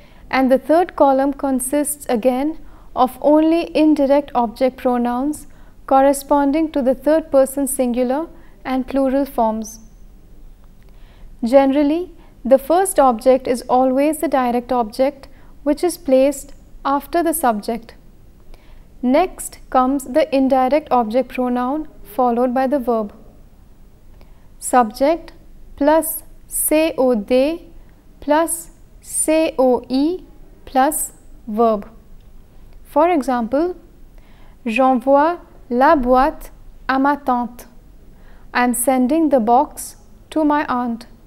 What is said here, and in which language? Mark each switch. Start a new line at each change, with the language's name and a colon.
English: And the third column consists again of only indirect object pronouns corresponding to the third person singular and plural forms. Generally, the first object is always the direct object, which is placed after the subject. Next comes the indirect object pronoun followed by the verb. Subject plus se o de plus se o e plus verb. For example,
French: j'envoie la boîte à ma tante.
English: I am sending the box to my aunt.